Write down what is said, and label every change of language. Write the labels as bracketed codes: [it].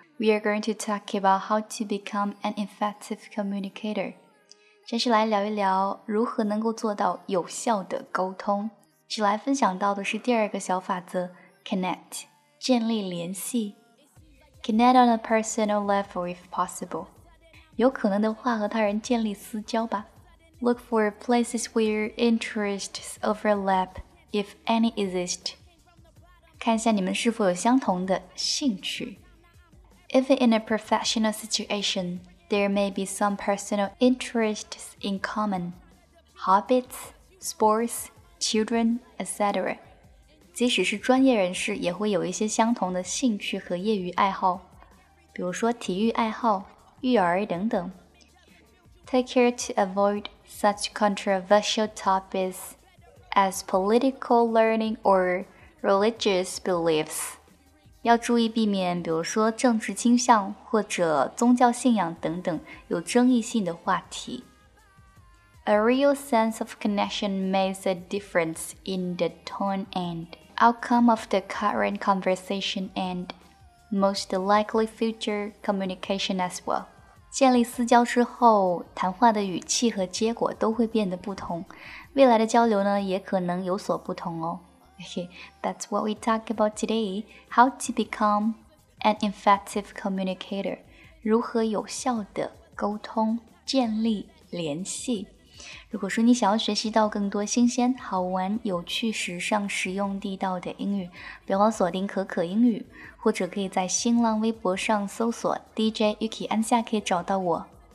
[en] We are going to talk about how to become an effective communicator. [zh] 这是来聊一聊如何能够做到有效的沟通。是来分享到的是第二个小法则 ,Connect, 建立联系。 [en] Connect on a personal level if possible. [zh] 有可能的话和他人建立私交吧。 [en] Look for places where your interests overlap, if any exist. [zh] 看一下你们是否有相同的兴趣。 [en] Even in a professional situation, there may be some personal interests in common. Hobbies, sports, children, etc. [zh] 即使是专业人士也会有一些相同的兴趣和业余爱好，比如说体育爱好、育儿等等。 [en] Take care to avoid such controversial topics as political learning or... religious beliefs. [zh] 要注意避免比如说政治倾向或者宗教信仰等等有争议性的话题。 [en] A real sense of connection makes a difference in the tone and outcome of the current conversation and most likely future communication as well. [zh] 建立私交之后，谈话的语气和结果都会变得不同，未来的交流呢，也可能有所不同哦。 [en] Okay, that's what we talk about today, how to become an effective communicator, [zh] 如何有效的沟通建立联系。如果说你想要学习到更多新鲜好玩有趣时尚实用地道的英语，别忘锁定可可英语，或者可以在新浪微博上搜索 DJ Yuki 安夏，可以找到我。